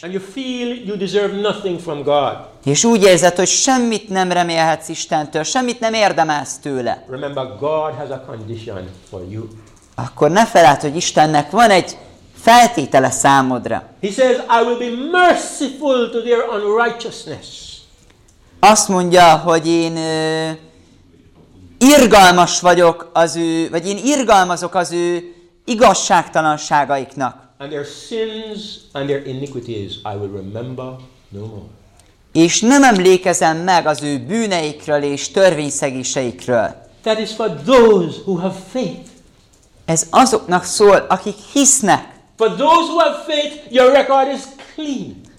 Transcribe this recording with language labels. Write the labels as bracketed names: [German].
[English] And you feel you deserve nothing from God. [Hungarian] És úgy érzed, hogy semmit nem remélhetsz Istentől, semmit nem érdemelsz tőle. [English] Remember, God has a condition for you. [Hungarian] Akkor ne feledd, hogy Istennek van egy feltétele számodra. [English] He says, I will be merciful to their unrighteousness. [Hungarian] Azt mondja, hogy én irgalmas vagyok az ő, vagy én irgalmazok az ő igazságtalanságaiknak. [English] And their sins and their iniquities I will remember no more. [Hungarian] És nem emlékezem meg az ő bűneikről és törvényszegéseikről. [English] That is for those who have faith. [Hungarian] Ez azoknak szól, akik hisznek. [English] For those who have faith, your record is clean.